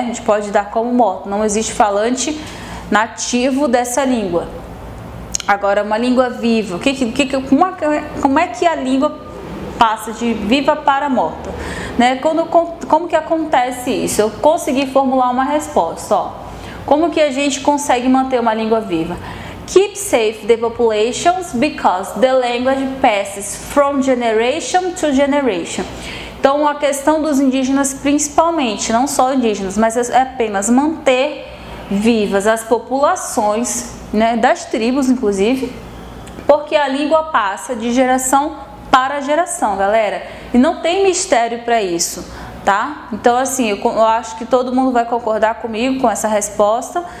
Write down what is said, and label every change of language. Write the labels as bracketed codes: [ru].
[pt] A gente pode dar como morta. Não existe falante nativo dessa língua. Agora, uma língua viva. Como é que a língua passa de viva para morta? Né? Como que acontece isso? Eu consegui formular uma resposta, ó. Como que a gente consegue manter uma língua viva? [en] Keep safe the populations because the language passes from generation to generation. [pt] Então, a questão dos indígenas, principalmente, não só indígenas, mas é apenas manter vivas as populações, né, das tribos, inclusive, porque a língua passa de geração para geração, galera. E não tem mistério para isso, tá? Então, assim, eu acho que todo mundo vai concordar comigo com essa resposta.